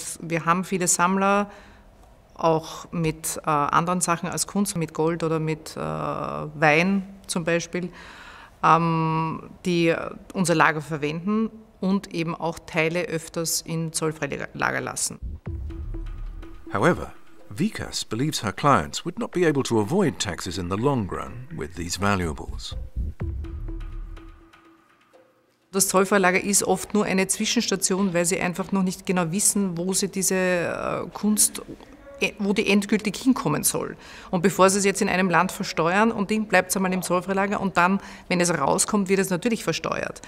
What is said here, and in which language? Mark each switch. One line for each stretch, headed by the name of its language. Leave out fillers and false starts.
German: Wir haben viele Sammler, auch mit anderen Sachen als Kunst, mit Gold oder mit Wein zum Beispiel, die unser Lager verwenden und eben auch Teile öfters in Zollfreilager lassen.
English: However, Vikas believes her clients would not be able to avoid taxes in the long run with these valuables.
German: Das Zollfreilager ist oft nur eine Zwischenstation, weil sie einfach noch nicht genau wissen, wo sie diese Kunst, wo die endgültig hinkommen soll. Und bevor sie es jetzt in einem Land versteuern und dann bleibt es einmal im Zollfreilager und dann, wenn es rauskommt, wird es natürlich versteuert.